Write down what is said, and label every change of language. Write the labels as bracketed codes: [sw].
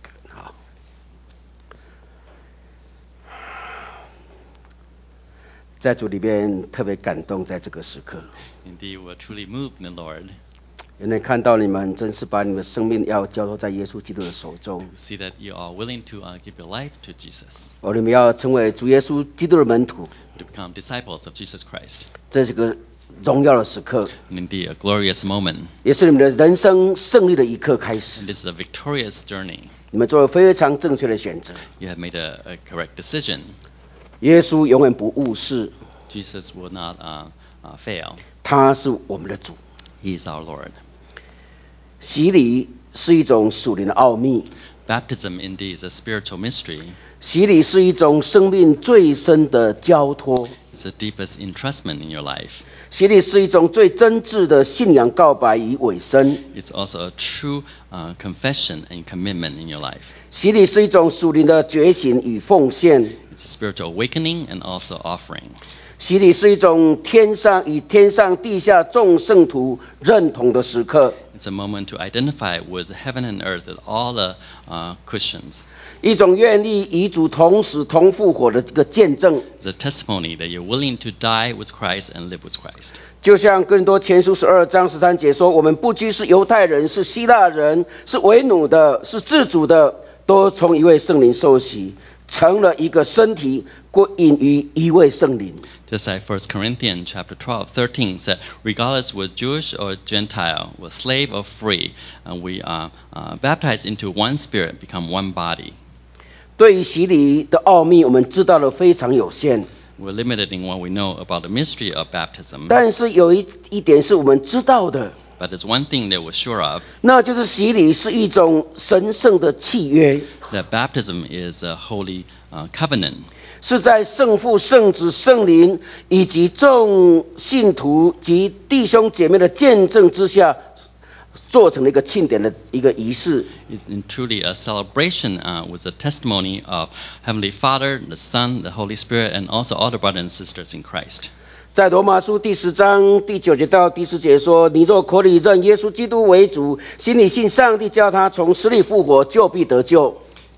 [zh] 好。在主里边特别感动，在这个时刻。 [en] Indeed, we're truly moved, the Lord. [zh] 原来看到你们真是把你们生命要交托在耶稣基督的手中。 [en] See that you are willing to give your life to Jesus. [zh] 你们要成为主耶稣基督的门徒。 [en] To become disciples of Jesus Christ. [zh] 这是个。重要的时刻 [en] ，Indeed, a glorious moment. [zh] 也是你们的人生胜利的一刻开始。 [en] This is a victorious journey. [zh] 你们做了非常正确的选择。 [en] You have made a correct decision. [zh] 耶稣永远不误事。 [en] Jesus will not fail. [zh] 他是我们的主。 [en] He is our Lord. [zh] 洗礼是一种属灵的奥秘。 [en] Baptism indeed is a spiritual mystery. [zh] 洗礼是一种生命最深的交托。 [en] It's the deepest entrustment in your life. [zh] 洗礼是一种最真挚的信仰告白与委身。 [en] It's also a true confession and commitment in your life. [zh] 洗礼是一种属灵的觉醒与奉献。 [en] It's a spiritual awakening and also offering. [zh] 洗礼是一种天上与天上地下众圣徒认同的时刻。 [en] It's a moment to identify with heaven and earth with all the Christians. [zh] 一种愿意与主同死同复活的这个见证。 [en] The testimony that you're willing to die with Christ and live with Christ。 [zh] 就像更多前书十二章十三节说，我们不拘是犹太人，是希腊人，是为奴的，是自主的，都从一位圣灵受洗，成了一个身体，归隐于一位圣灵。 [en] Just like 1 Corinthians chapter 12, 13 said, regardless we're Jewish or Gentile, we're slave or free, and we are baptized into one spirit, become one body. [zh] 对于洗礼的奥秘，我们知道的非常有限。 [en] We're limited in what we know about the mystery of baptism. [zh] 但是有一点是我们知道的。 [en] But there's one thing that we're sure of. [zh] 那就是洗礼是一种神圣的契约。 [en] That baptism is a holy covenant. [zh] 是在圣父、圣子、圣灵以及众信徒及弟兄姐妹的见证之下，做成了一个庆典的一个仪式。 [en] It's truly a celebration, with the testimony of Heavenly Father, the Son, the Holy Spirit, and also all the brothers and sisters in Christ. [zh] 在罗马书第十章第九节到第十节说：“你若口里认耶稣基督为主，心里信上帝叫他从死里复活，就必得救。”